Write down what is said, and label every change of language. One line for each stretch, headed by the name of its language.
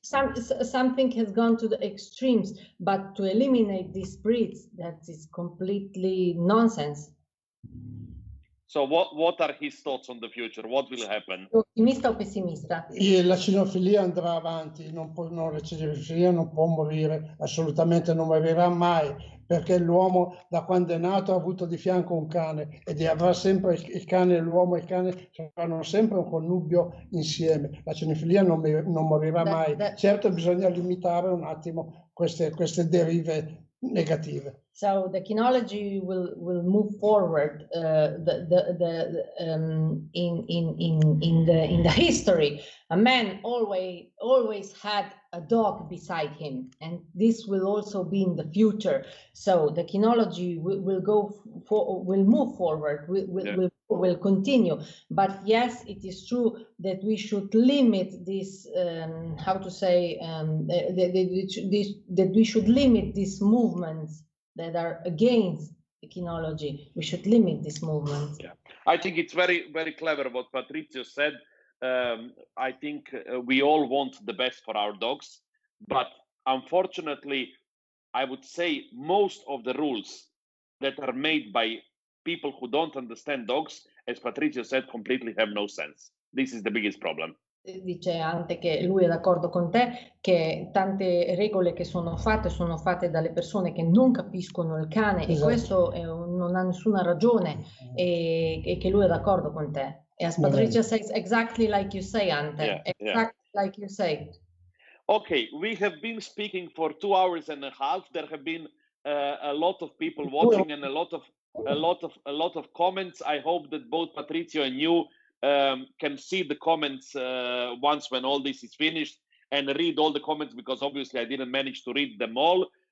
English: Something has gone to the extremes, but to eliminate these breeds, that is completely nonsense. So what are his thoughts on the future? What will happen?
Italian: Ottimista o pessimista? La cinofilia andrà avanti, la cinofilia non può morire, assolutamente non morirà mai, perché l'uomo da quando è nato ha avuto di fianco un cane ed avrà sempre il cane, l'uomo e il cane saranno sempre un connubio insieme. La cinofilia non morirà mai. Certo, bisogna limitare un attimo queste derive negative.
English: So the kinology will move forward in the history. A man always had a dog beside him, and this will also be in the future. So the kinology will continue. But yes, it is true that we should limit this movements that are against ecology. We should limit this movement. Yeah. I think it's very, very clever what Patrizio said. I think we all want the best for our dogs, but unfortunately, I would say most of the rules that are made by people who don't understand dogs, as Patrizio said, completely have no sense. This is the biggest problem.
Italian: Dice Ante che lui è d'accordo con te, che tante regole che sono fatte dalle persone che non capiscono il cane, esatto. E questo non ha nessuna ragione, e che lui è d'accordo con te.
English: E Patrizio says exactly like you say, Ante, like you say. Okay, we have been speaking for 2 hours and a half, there have been a lot of people watching and a lot of comments. I hope that both Patrizio and you can see the comments once when all this is finished and read all the comments, because obviously I didn't manage to read them all.